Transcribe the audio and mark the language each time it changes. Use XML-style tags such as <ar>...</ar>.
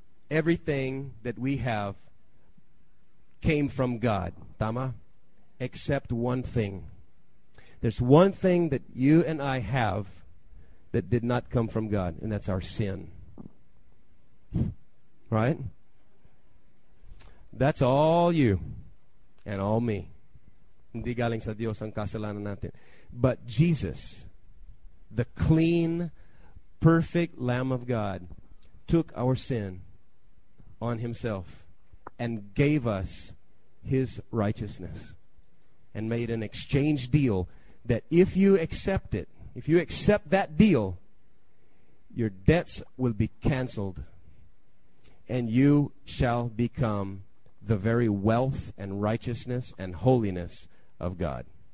<en>Everything that we have came from God, tama? Except one thing. There's one thing that you and I have that did not come from God, and that's our sin. Right? That's all you and all me.</en> <tl>Hindi galing sa Diyos ang kasalanan natin.</tl> <en>But Jesus, the clean, perfect Lamb of God, took our sin on Himself and gave us His righteousness and made an exchange deal that if you accept it, if you accept that deal, your debts will be canceled and you shall become the very wealth and righteousness and holiness of God.</en>